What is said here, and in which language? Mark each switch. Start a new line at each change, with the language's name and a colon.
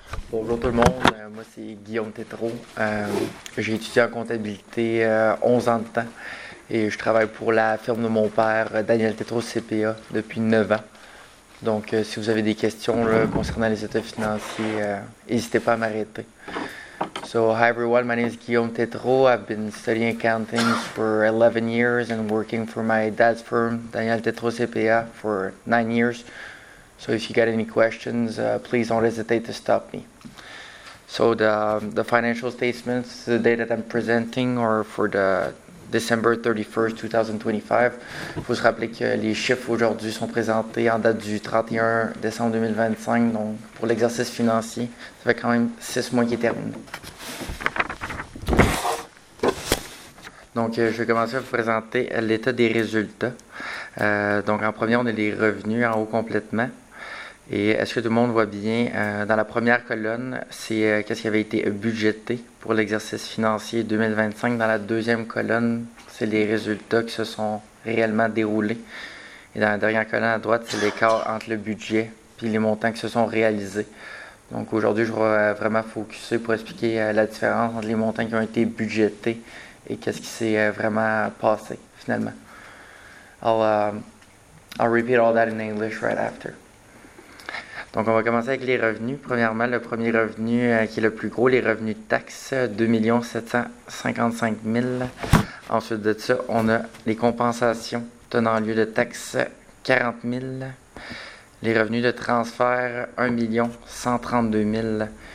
French: Bonjour tout le monde, moi c'est Guillaume Tétrault. J'ai étudié en comptabilité 11 ans de temps et je travaille pour la firme de mon père, Daniel Tétrault CPA, depuis 9 ans. Donc si vous avez des questions là, concernant les états financiers, n'hésitez pas à m'arrêter.
English: So, hi everyone, my name is Guillaume Tétrault. I've been studying accounting for 11 years and working for my dad's firm, Daniel Tétrault CPA, for 9 years. So if you got any questions, please don't hesitate to stop me. So the financial statements, the day that I'm presenting are for the December 31st, 2025.
French: Faut se rappeler que les chiffres aujourd'hui sont présentés en date du 31 décembre 2025, donc pour l'exercice financier, ça fait quand même 6 mois qui est terminé. Donc, je vais commencer à vous présenter l'état des résultats. Donc, en premier, on a les revenus en haut complètement. Et est-ce que tout le monde voit bien, dans la première colonne, c'est qu'est-ce qui avait été budgété pour l'exercice financier 2025. Dans la deuxième colonne, c'est les résultats qui se sont réellement déroulés. Et dans la dernière colonne à droite, c'est l'écart entre le budget puis les montants qui se sont réalisés. Donc aujourd'hui, je vais vraiment focusser pour expliquer la différence entre les montants qui ont été budgétés et qu'est-ce qui s'est vraiment passé, finalement.
English: I'll repeat all that in English right after.
French: Donc, on va commencer avec les revenus. Premièrement, le premier revenu qui est le plus gros, les revenus de taxes, 2 755 000. Ensuite de ça, on a les compensations tenant lieu de taxes, 40 000. Les revenus de transfert, 1 132 000.